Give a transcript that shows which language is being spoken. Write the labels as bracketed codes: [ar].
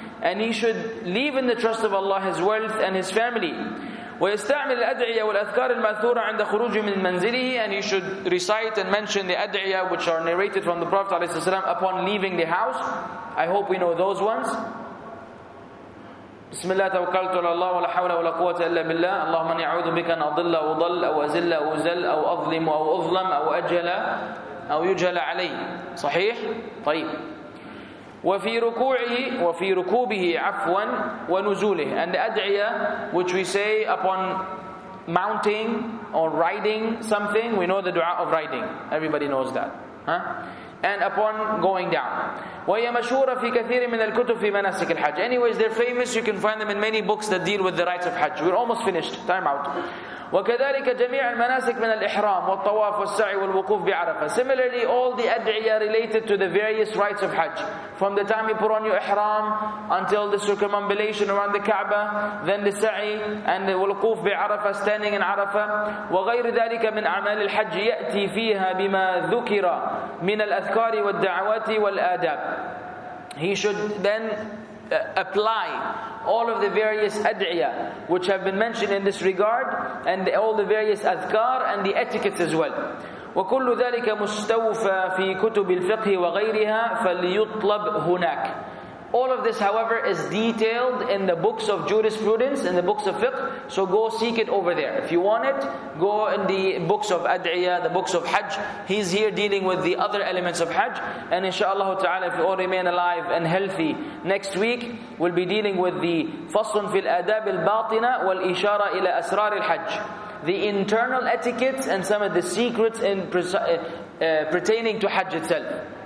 [en] And he should leave in the trust of Allah his wealth and his family. [ar] وَيَسْتَعْمِلِ الْأَدْعِيَةَ وَالْأَذْكَارِ الْمَأْثُورَ عِنْدَ خُرُوجِ مِنْ مَنْزِلِهِ. [en] And he should recite and mention the ad'iyah which are narrated from the Prophet ﷺ upon leaving the house. I hope we know those ones. [ar] بسم الله توكلت على الله ولا حول ولا قوة إلا بالله. اللهم أني أعوذ بك أن أضل أو ضل أو أزل أو أزل أو أظلم أو أظلم أو أجهل أو يجهل علي. صحيح؟ طيب. وفي ركوعه وفي ركوبه عفوا ونزوله. [en] And the أدعية which we say upon mounting or riding something, we know the dua of riding. Everybody knows that. And upon going down. [ar] وهي مشهورة في كثير من الكتب في مناسك الحج. [en] Anyways, they're famous. You can find them in many books that deal with the rites of Hajj. We're almost finished. Time out. [ar] وكذلك جميع المناسك من الإحرام والطواف والسعي والوقوف بعرفة. [en] Similarly, all the أدعية related to the various rites of Hajj. From the time you put on your إحرام until the circumambulation around the كعبة, then the سعي and the وقوف بعرفة, standing in عرفة. [ar] وغير ذلك من أعمال الحج يأتي فيها بما ذكر من الأذكار والدعوات والآداب. [en] He should then apply all of the various ad'iyah which have been mentioned in this regard, and all the various adhkar and the etiquettes as well. [ar] وكل ذلك مستوفى في كتب الفقه وغيرها فليطلب هناك. [en] All of this, however, is detailed in the books of jurisprudence, in the books of fiqh. So go seek it over there. If you want it, go in the books of ad'iyah, the books of hajj. He's here dealing with the other elements of hajj. And inshaAllah ta'ala, if you all remain alive and healthy, next week we'll be dealing with the [ar] faslun fil adab al batina wal ishara ila asrar al hajj, [en] the internal etiquettes and some of the secrets in pertaining to hajj itself.